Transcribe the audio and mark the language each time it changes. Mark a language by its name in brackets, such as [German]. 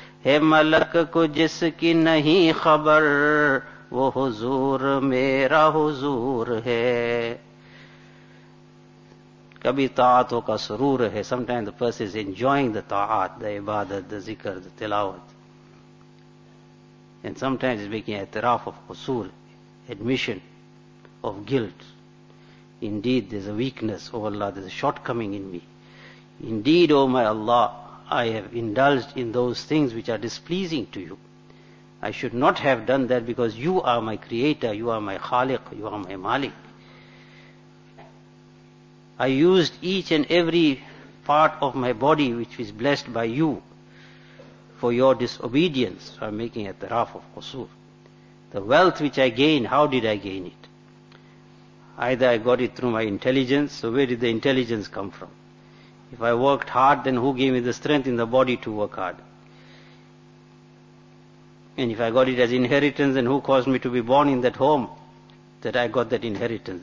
[Urdu] ہے ملک کو جس کی نہیں خبر وہ حضور میرا حضور ہے. کبھی طاعتوں کا سرور ہے. [English] Some time the person is enjoying the طاعت the عبادت the ذکر دا تلاوت اینڈ سم ٹائمز میکنگ اعتراف آف قصور admission of guilt indeed there is a weakness O اللہ there is a shortcoming in me indeed O my اللہ I have indulged in those things which are displeasing to you I should not have done that because you are my creator you are my خالق you are my مالک I used each and every part of my body which is blessed by you for your disobedience. So I'm making a taraf of qusur. The wealth which I gained, how did I gain it? Either I got it through my intelligence, so where did the intelligence come from? If I worked hard, then who gave me the strength in the body to work hard? And if I got it as inheritance, then who caused me to be born in that home that I got that inheritance?